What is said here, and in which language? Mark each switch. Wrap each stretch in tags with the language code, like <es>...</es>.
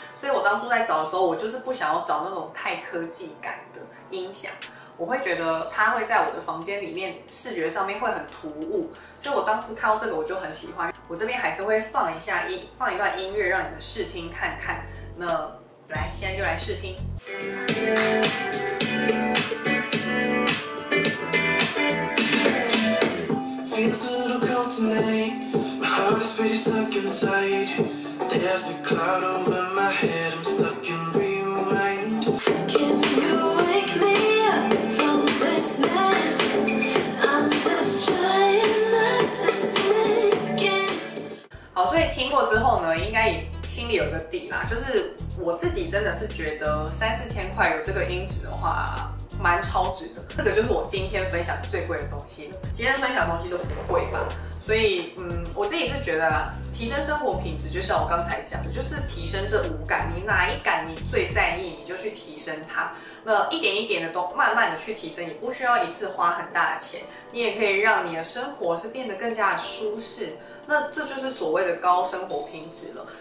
<zh>所以我当初在找的时候我就是不想要找那种太科技感的音响，我会觉得它会在我的房间里面视觉上面会很突兀，所以我当时看到这个我就很喜欢。我这边还是会放一下放一段音乐让你们试听看看，那来现在就来试听。</zh> <en>Feels a little cold tonight, my heart is pretty sunk inside, there's a cloud over my head, I'm stuck in rewind. Can you wake me up from this mess? I'm just trying not to sneak in.</en> <zh>好，所以听过之后呢，应该也心里有个底啦，就是我自己真的是觉得三四千块有这个音质的话蛮超值的，这个就是我今天分享最贵的东西了。今天分享的东西都不贵吧，所以我自己是觉得啦，提升生活品质就像我刚才讲的，就是提升这五感，你哪一感你最在意你就去提升它，那一点一点的都慢慢的去提升，也不需要一次花很大的钱，你也可以让你的生活是变得更加的舒适，那这就是所谓的高生活品质了。</zh>